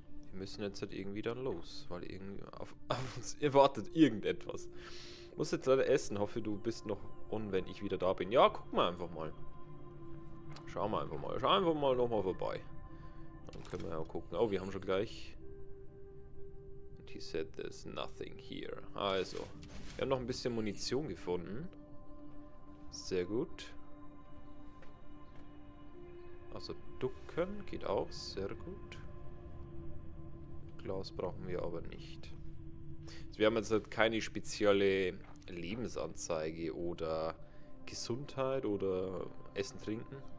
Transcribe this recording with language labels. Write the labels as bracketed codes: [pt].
[de] wir müssen jetzt halt irgendwie dann los, weil irgendwie auf uns erwartet irgendetwas. Muss jetzt leider essen, hoffe du bist noch on, wenn ich wieder da bin. Ja, guck mal einfach mal. Schau mal einfach mal. Schau einfach mal nochmal vorbei. Dann können wir ja auch gucken. Oh, wir haben schon gleich. [en] And he said there's nothing here. [de] Also, wir haben noch ein bisschen Munition gefunden. Sehr gut. Also ducken geht auch, sehr gut. Glas brauchen wir aber nicht. Also wir haben jetzt halt keine spezielle Lebensanzeige oder Gesundheit oder Essen, Trinken.